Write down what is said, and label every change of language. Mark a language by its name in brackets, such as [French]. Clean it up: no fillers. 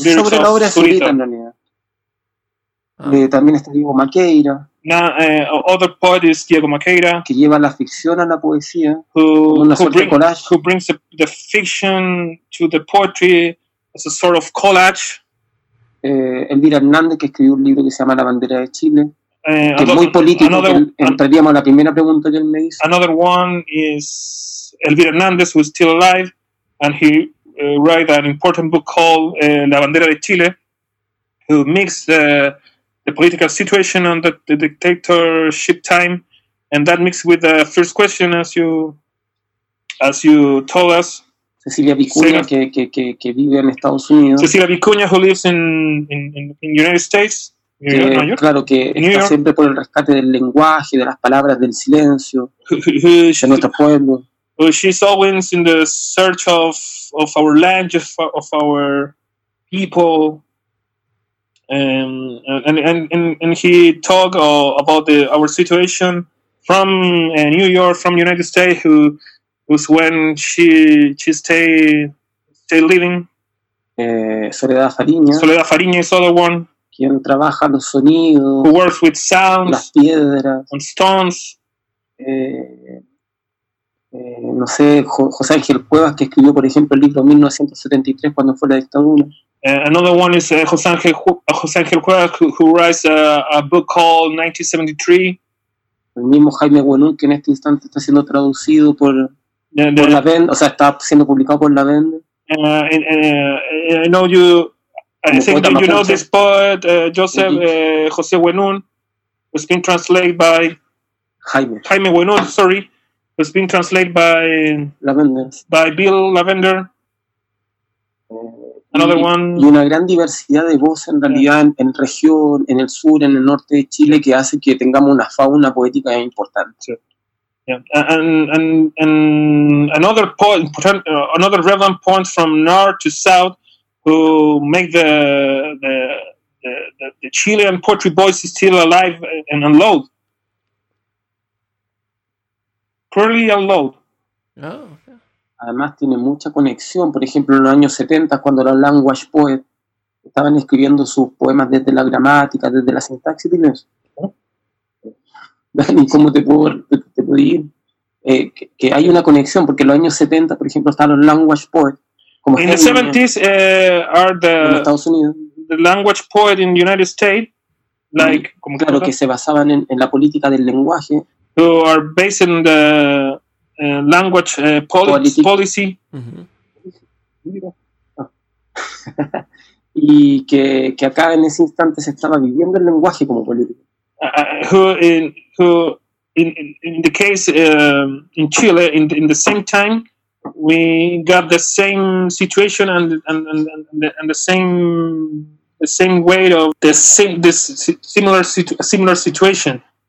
[Spanish] lyrics sobre la obra [English] of Zurita. [Spanish] Oh. También está Diego Maqueira. [English] Other poet is Diego Maqueira, [Spanish] que lleva la ficción a la poesía, [English] who brings the fiction to the poetry as a sort of collage. [Spanish] Elvira Hernández, que escribió un libro que se llama La bandera de Chile, que es muy político. Entraríamos a la primera pregunta que él me hizo. [English] Another one is Elvira Hernández, who is still alive, and he wrote an important book called La bandera de Chile, who mixed the political situation on the dictatorship time, and that mixed with the first question, as you told us. [Spanish] Cecilia Vicuña, que vive en Estados Unidos. [English] Cecilia Vicuña, who lives in United States, [Spanish] que, [English] New York. [Spanish] Claro, que [English] New [Spanish] está [English] York. [Spanish] Siempre por el rescate del lenguaje, de las palabras, del silencio, de nuestro pueblo. [English] Well, she's always in the search of our land, of our people. And he talked about our situation from New York, from United States, who was when she stayed living. [Spanish] Soledad Fariña. [English] Soledad Fariña is other one. [Spanish] Quien trabaja los sonidos. [English] Who works with sounds. [Spanish] Las piedras. [English] And stones. [Spanish] No sé, José Ángel Cuevas, que escribió, por ejemplo, el libro 1973, cuando fue la dictadura. [English] Another one is José Ángel Cuevas, who writes a book called 1973. [Spanish] El mismo Jaime Guenú, que en este instante está siendo traducido por La Vende, o sea, está siendo publicado por La Vende. [English] I think you know this poet, Joseph José Guenú, who's been translated by Jaime Guenú, sorry. It's been translated by Bill Lavender. Another one. [Spanish] Y una gran diversidad de voces en realidad en región, en el sur, en el norte de Chile, que hace que tengamos una fauna poética importante. [English] Yeah. And another poet, another relevant poet from north to south, who make the Chilean poetry voice still alive and unload. Clearly unload. Oh, okay. [Spanish] Además tiene mucha conexión, por ejemplo, en los años 70, cuando los language poets estaban escribiendo sus poemas desde la gramática, desde la sintaxis, ¿tienes eso? Dani, ¿cómo te puedo ir? Que hay una conexión, porque en los años 70, por ejemplo, están los language poets. Como en los 70s, [English] are the, [Spanish] en Estados Unidos. [English] The language poet in the United States, like, [Spanish] y, como claro, que se basaban en la política del lenguaje. [English] Who are based in the language policy. Mm-hmm. [Spanish] Y que acá en ese instante se estaba viviendo el lenguaje como político. [English] Who in the case in Chile in the same time we got the same situation and the same way of this similar situation.